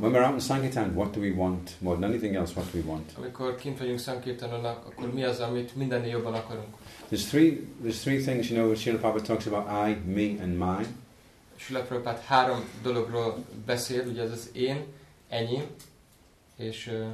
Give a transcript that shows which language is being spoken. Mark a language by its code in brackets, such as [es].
[en] When we're out in Sankirtan, what do we want more than anything else? What do we want? [hu] Amikor kint vagyunk Sankirtanon, akkor mi az, amit mindennél jobban akarunk? [en] There's three things, you know, Srila Prabhupada talks about I, me and mine. [hu] Srila Prabhupada három dologról beszél, ugye ez az én, enyém, és...